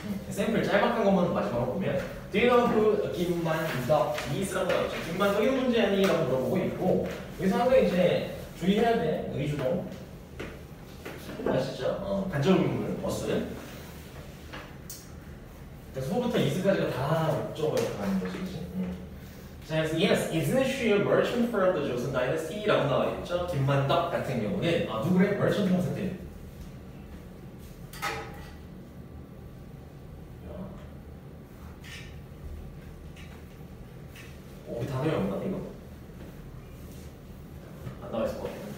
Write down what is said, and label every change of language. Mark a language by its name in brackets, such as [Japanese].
[Korean] 샘플 짤막한 것만 마지막으로 보면 [English] Do you know who [Korean] 김만덕 is라고 나왔죠. 김만덕이 누군지 아니? 라고 물어보고 있고 여기서 한번 이제 주의해야 돼. 의주도 아시죠? 간접 의문은 어순. 그래서 후부터 is까지가 다 목적어에 가는 거지. [English] 자, yes, isn't she a merchant from the Joseon Dynasty? [Korean] 라고 나와 있죠. 김만덕 같은 경우는 아, 누구래? merchant 형태들. 오, 단어에 없나 이거? 안 나와 있을 것 같아요.